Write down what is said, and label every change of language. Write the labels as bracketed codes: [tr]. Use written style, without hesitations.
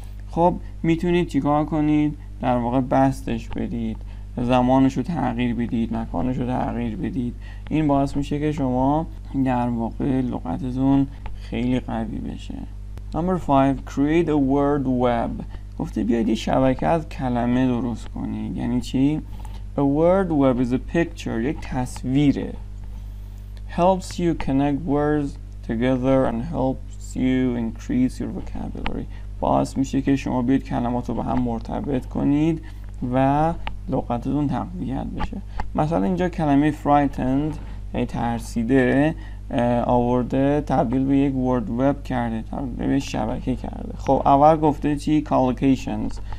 [fa] خب میتونید چیکار کنید؟ در واقع بستش بدید، زمانش رو تغییر بدید، مکانش رو تغییر بدید. این باعث میشه که شما در واقع لغتتون خیلی قوی بشه. [en] Number 5 create a word web. [fa] گفته بیاید یه شبکه از کلمه درست کنید. یعنی چی؟ [en] A word web is a picture. [fa] یک تصویره. [en] Helps you connect words together and help you increase your vocabulary. [fa] باعث میشه که شما بیاید کلمات رو با هم مرتبط کنید و لغتتون تقویت بشه. مثلا اینجا کلمه frightened یعنی ترسیده آورده تبدیل به یک word web کرده، تبدیل به شبکه کرده. خب اول گفته چی؟ collocations.